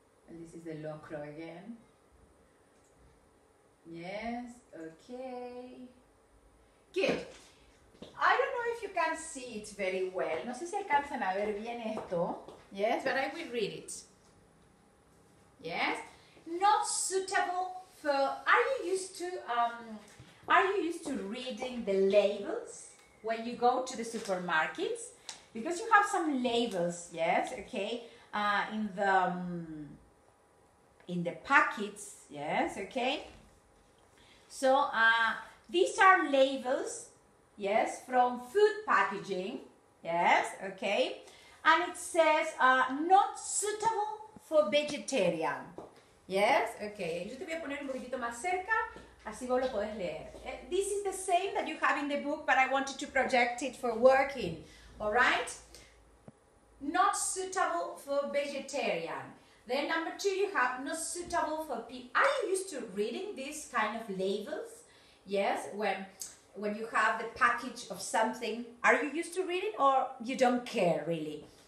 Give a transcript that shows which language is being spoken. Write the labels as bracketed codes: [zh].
[en] And this is the locro again. Yes, okay. Good. I don't know if you can see it very well. [es] No sé si alcanzan a ver bien esto. [en] Yes, but I will read it. Yes. Not suitable for... Are you used to reading the labels when you go to the supermarkets? Because you have some labels, yes, okay, in the packets, yes, okay. So these are labels, yes, from food packaging, yes, okay, and it says not suitable for vegetarian, yes, okay. [es] Yo te voy a poner un poquito más cerca, así vos lo podés leer. [en] This is the same that you have in the book, but I wanted to project it for working. All right, not suitable for vegetarian. Then number two, you have not suitable for people. Are you used to reading these kind of labels? Yes, when you have the package of something, are you used to reading or you don't care really?